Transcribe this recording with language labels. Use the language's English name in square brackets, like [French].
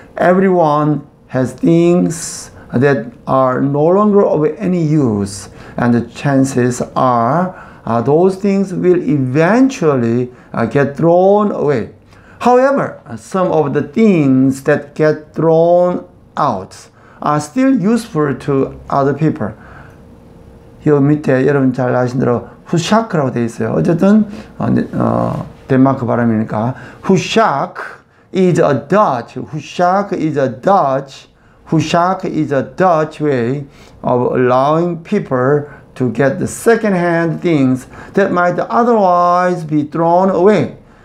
[English] Everyone has things that are no longer of any use. And the chances are those things will eventually get thrown away. However, some of the things that get thrown out are still useful to other people. [Korean] 이 밑에 여러분 잘 아신 대로 후샤크라고 되어 있어요. 어쨌든 덴마크 발음이니까 [English] 후샤크 is a Dutch way of allowing people to get the second hand things that might otherwise be thrown away.